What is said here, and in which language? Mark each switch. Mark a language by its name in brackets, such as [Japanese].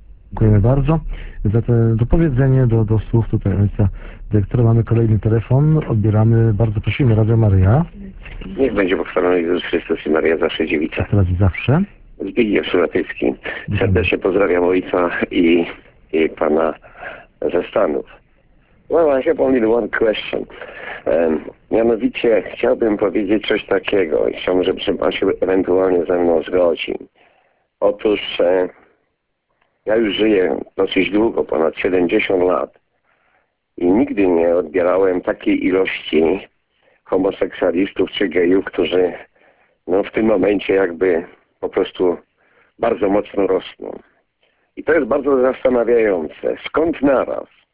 [Polish] Dziękujemy bardzo za to dopowiedzenie do słów tutaj ojca dyrektora. Mamy kolejny telefon, odbieramy, bardzo prosimy, Radio Maria. Niech będzie pochwalony Jezus Chrystus i Maria zawsze dziewica. A teraz i zawsze. Zbigniew Szulatycki. Serdecznie pozdrawiam ojca i pana ze Stanów. [English] Well, I have only one question. [Polish] Mianowicie chciałbym powiedzieć coś takiego i chciałbym, żeby się pan się ewentualnie ze mną zgodził. Otóż ja już żyję dosyć długo, ponad 70 lat i nigdy nie odbierałem takiej ilości homoseksualistów czy gejów, którzy w tym momencie jakby po prostu bardzo mocno rosną. I to jest bardzo zastanawiające. Skąd naraz?